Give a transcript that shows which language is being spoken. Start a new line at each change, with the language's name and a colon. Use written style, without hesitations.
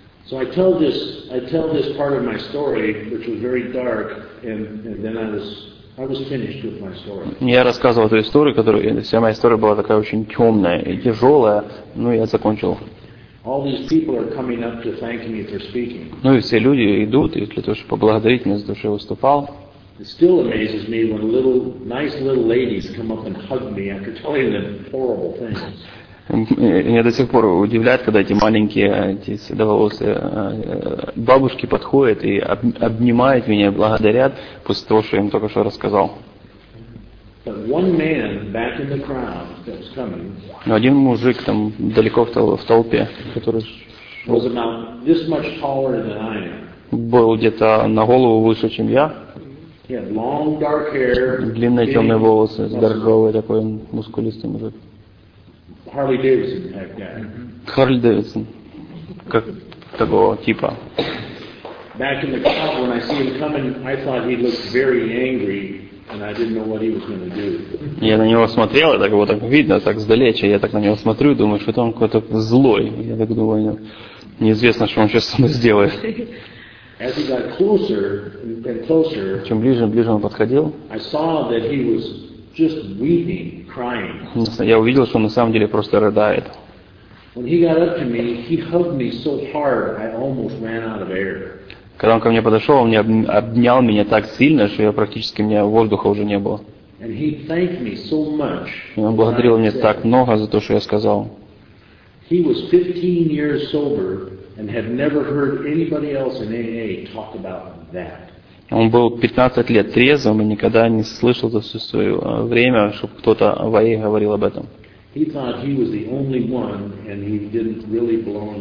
English: So I tell this part of my story, which was very dark, and then I was finished with my story.
Russian: Я рассказывал эту историю, которая вся моя история была такая очень темная и тяжелая, ну я закончил.
English: All these people are coming up to thank me for speaking.
Russian: Ну и все люди идут, и для того, чтобы поблагодарить меня за то, что я выступал.
English: It still amazes me when little nice little ladies come up and hug me after telling them horrible things.
Russian: Меня до сих пор удивляет, когда эти маленькие, эти седоволосые бабушки подходят и обнимают меня, благодарят после того, что я им только что рассказал.
English: But one man back in the crowd that was coming.
Russian: Но один мужик там далеко в толпе, который
English: was about this much taller than I am.
Russian: Был где-то на голову выше, чем я.
English: He had long dark hair.
Russian: Длинные темные волосы, здоровый такой мускулистый мужик.
English: Harley Davidson type guy.
Russian: Harley Davidson, как такого типа.
English: Back in the crowd, when I see him coming, I thought he looked very angry. And I didn't know what he was going to do.
Russian: Я на него смотрел, и так вот так видно, так сдалече, я так на него смотрю, думаю, что он какой-то злой. Я так думаю, неизвестно, что он сейчас со мной сделает.
English: As he got closer and closer,
Russian: чем ближе он подходил,
English: I saw that he was just weeping, crying.
Russian: Я увидел, что он на самом деле просто рыдает.
English: When he got up to me, he hugged me so hard, I almost ran out of air.
Russian: Когда он ко мне подошел, он обнял меня так сильно, что я практически, у меня воздуха уже не было.
English: So much,
Russian: и он благодарил меня так много за то, что я сказал.
English: He was 15 years sober and had never heard anybody else in AA talk about that.
Russian: Он был 15 лет трезвым и никогда не слышал за все свое время, чтобы кто-то в АА говорил об этом.
English: He thought he was the only one and he didn't really belong.